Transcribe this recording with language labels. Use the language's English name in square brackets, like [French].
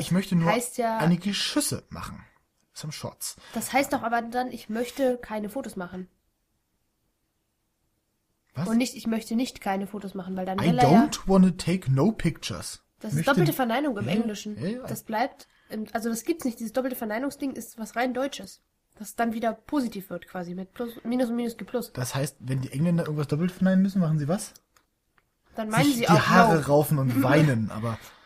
[German] Ich möchte nur einige Schüsse machen. [English] Some shots. [German] Das heißt doch aber dann, ich möchte keine Fotos machen. Was? Und nicht, ich möchte nicht keine Fotos machen, weil dann... [English] I don't want to take no pictures. [German] Das ist doppelte Verneinung im Englischen. Ja. Das bleibt... Also das gibt's nicht. Dieses doppelte Verneinungsding ist was rein Deutsches. Das dann wieder positiv wird, quasi, mit Plus, Minus und Minus geplus. Das heißt, wenn die Engländer irgendwas doppelt verneinen müssen, machen sie was? Dann meinen sich sie auch die Haare raufen und weinen, aber...